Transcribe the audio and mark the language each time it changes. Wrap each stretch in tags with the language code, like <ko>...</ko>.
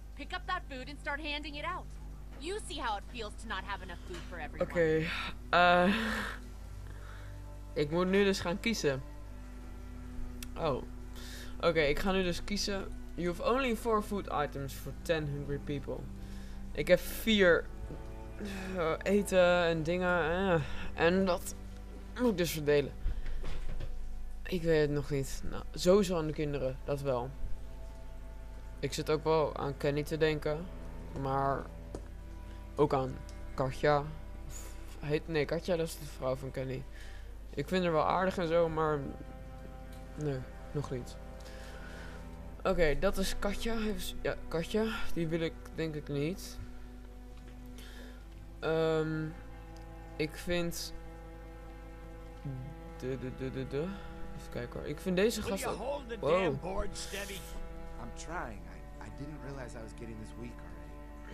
<en>Pick up that food and start handing it out. You see how it feels to not have enough food for everyone.</en> <nl>Oké, ik moet nu dus gaan kiezen. Oh, oké, ik ga nu dus kiezen.</nl> <en>You have only 4 food items for 10 hungry people.</en> <nl>Ik heb 4 eten en dingen. En dat moet ik dus verdelen. Ik weet het nog niet. Nou, sowieso aan de kinderen, dat wel. Ik zit ook wel aan Kenny te denken. Maar ook aan Katja. Katja, dat is de vrouw van Kenny. Ik vind haar wel aardig en zo, maar nee. Nog niet. Oké, dat is Katja. Ja, Katja. Die wil ik denk ik niet. Ik vind de. Even kijken hoor. Ik vind deze gast ook.</nl> <en>Hold the damn board steady? I'm trying. I didn't realize I was getting this weak already.</en>